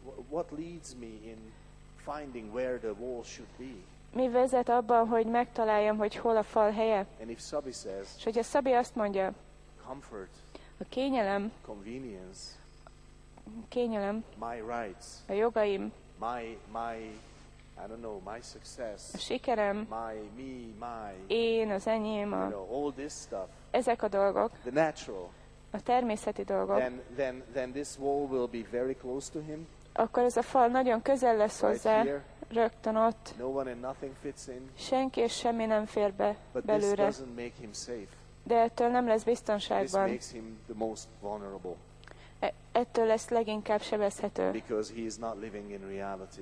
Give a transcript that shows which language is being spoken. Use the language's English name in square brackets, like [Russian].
[English] What leads me in finding where the wall should be. [Hungarian] Mi vezet abban, hogy megtaláljam, hogy hol a fal helye? [English] And if Sabi says, [Hungarian] és hogyha Sabi azt mondja, [English] comfort, [Hungarian] a kényelem, [English] convenience, [Hungarian] kényelem, [English] my rights, [Hungarian] a jogaim, [English] my I don't know, my success, [Hungarian] a sikerem, [English] my [Hungarian] én, az enyém, [English] you know, all this stuff, [Hungarian] ezek a dolgok, [English] the natural, [Hungarian] a természeti dolgok, [English] then this wall will be very close to him. [Hungarian] Akkor ez a fal nagyon közel lesz hozzá, [English] right [Hungarian] rögtön ott. [English] No one and nothing fits in. [Hungarian] Senki és semmi nem fér be [English] but [Hungarian] belőle. [English] This doesn't make him safe. [Hungarian] De ettől nem lesz biztonságban. [English] This makes him the most vulnerable. [Hungarian] Ettől lesz leginkább sebezhető. [English] Because he is not living in reality.